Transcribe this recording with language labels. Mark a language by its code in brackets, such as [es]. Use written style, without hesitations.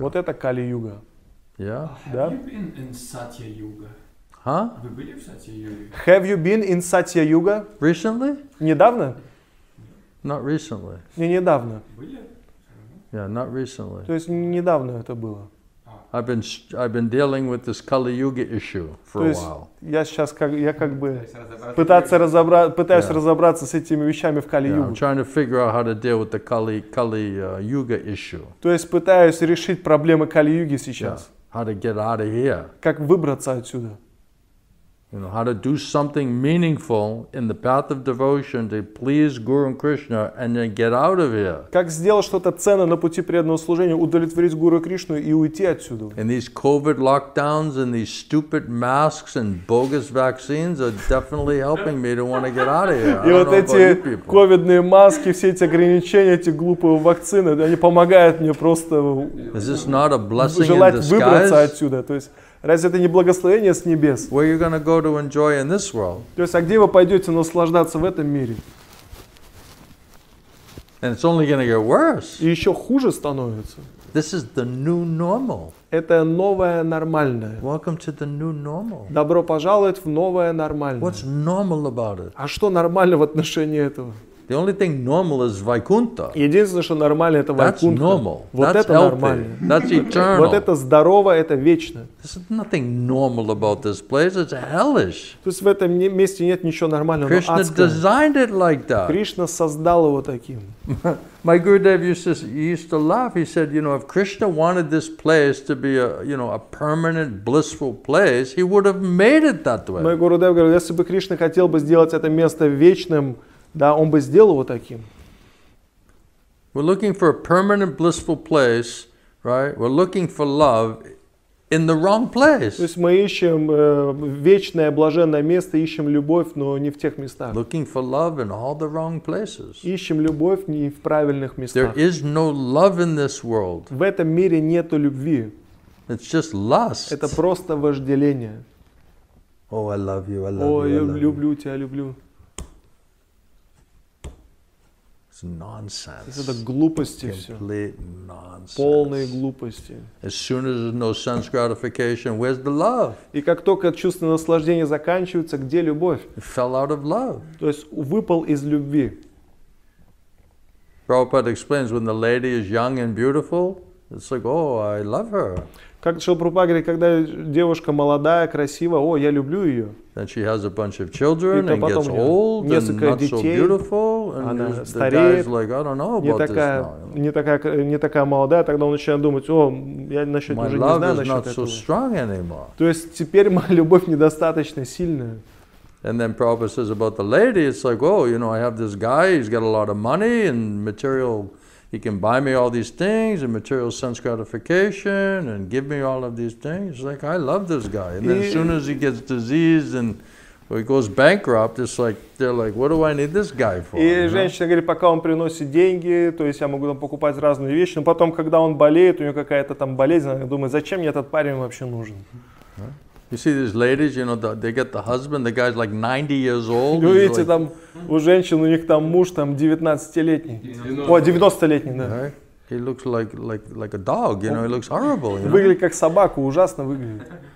[ru] Вот это Kali Yuga. [en] Yeah? [ru] Да? [en] Have you been in Satya Yuga? Huh? [ru] Вы были в Satya Yuga? [en] Have you been in Satya Yuga? Recently? [ru] Недавно? [en] Not recently. [ru] Не недавно. Были? [en] Yeah, not recently. [ru] То есть недавно это было. [en] I've been dealing with this Kali Yuga issue for a while. [ru] То есть я сейчас как бы пытаюсь разобраться с этими вещами в Kali Yuga. [en] Yeah, I'm trying to figure out how to deal with the Kali Yuga issue. [ru] То есть пытаюсь решить проблемы Kali Yuga сейчас. [en] Yeah. How to get out of here? [ru] Как выбраться отсюда? [en] You know, how to do something meaningful in the path of devotion to please Guru and Krishna and then get out of here. [ru] Как сделать что-то ценное на пути преданного служения, удовлетворить Гуру и Кришну и уйти отсюда. [en] And these COVID lockdowns and these stupid masks and bogus vaccines are definitely helping me to want to get out of here. [ru] И вот эти ковидные маски, все эти ограничения, эти глупые вакцины, они помогают мне просто желать выбраться отсюда. То есть разве это не благословение с небес? [en] Where you gonna go to enjoy in this world? [ru] То есть, а где вы пойдете наслаждаться в этом мире? [en] And it's only gonna get worse. [ru] И еще хуже становится. [en] This is the new normal. [ru] Это новое нормальное. [en] Welcome to the new normal. [ru] Добро пожаловать в новое нормальное. [en] What's normal about it? [ru] А что нормально в отношении этого? [en] The only thing normal is Vaikuntha. [ru] Единственное, что нормально, это Вайкунта. [en] That's normal. [ru] Вот [en] that's [ru] это [en] healthy. [ru] Нормально. [en] That's eternal. [ru] Вот это здорово, это вечно. [en] There's nothing normal about this place. It's hellish. [ru] То есть в этом месте нет ничего нормального. [en] Krishna [ru] адское. [en] Designed it like that. [ru] Кришна создал его таким. [en] My Gurudev used to laugh. He said, you know, if Krishna wanted this place to be a permanent blissful place, he would have made it that way. [ru] Мой Гурудев говорил, если бы Кришна хотел бы сделать это место вечным, да, он бы сделал вот таким. [en] We're looking for a permanent blissful place, right? We're looking for love in the wrong place. [ru] То есть мы ищем вечное блаженное место, ищем любовь, но не в тех местах. [en] Looking for love in all the wrong places. [ru] Ищем любовь не в правильных местах. [en] There is no love in this world. [ru] В этом мире нету любви. [en] It's just lust. [ru] Это просто вожделение. [en] Oh, I love you, I love [ru] О, я люблю тебя, люблю. [en] Nonsense. [ru] Это глупости все. [en] Nonsense. [ru] Полные глупости. [en] As soon as there's no sense gratification, where's the love? [ru] И как только чувственное наслаждение заканчивается, где любовь? [en] It fell out of love. [ru] То есть выпал из любви. [en] Prabhupada explains when the lady is young and beautiful, it's like, oh, I love her. [ru] Как Шрила Прабхупада говорит, когда девушка молодая, красивая, о, я люблю ее. [en] Then she has a bunch of children and gets old and not [ru] детей, [en] so beautiful. And [ru] стареет, [en] the guy's like, I don't know about [ru] такая, [en] this. [ru] Не такая молодая, тогда он начинает думать, о, я насчет [en] My [ru] уже не знаю насчет [en] not [ru] этого. [en] So strong anymore. [ru] То есть теперь моя любовь недостаточно сильная. [en] And then Prabhupada says about the lady, it's like, oh, you know, I have this guy, he's got a lot of money and material. He can buy me all these things and material sense gratification and give me all of these things. It's like, I love this guy. And then as soon as he gets diseased and he goes bankrupt, it's like, they're like, what do I need this guy for? [ru] И женщина говорит, пока он приносит деньги, то есть я могу там покупать разные вещи, но потом, когда он болеет, у него какая-то там болезнь, она думает, зачем мне этот парень вообще нужен? [en] You see these ladies, you know, they get the husband, the guy's like 90 years old. [ru] Вы видите, там у женщин, у них там муж, там 19-летний. 90-летний, да. [en] He looks like a dog, you know, he looks horrible, you know. [ru] Выглядит как собака, ужасно выглядит.